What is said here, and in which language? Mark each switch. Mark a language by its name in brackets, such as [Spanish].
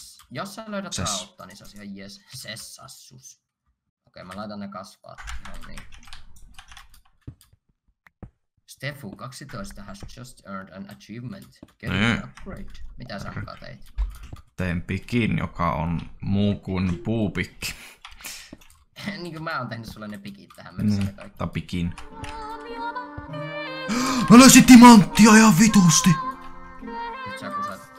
[Finnish] Jos sä löydät kautta, niin se on ihan jees. Sessassus. Okei, mä laitan ne kasvaa. No niin. [English] Stefu 12 has just earned an achievement. Get an upgrade. [Finnish] Mitä sä onkaan teit? Tein pikin, joka on muu kuin puupikki. Niin kuin mä oon tehnyt sulle ne pikit tähän mennessä. Tai pikin. Mä löysin timanttia ihan vitusti! Nyt sä kuseta.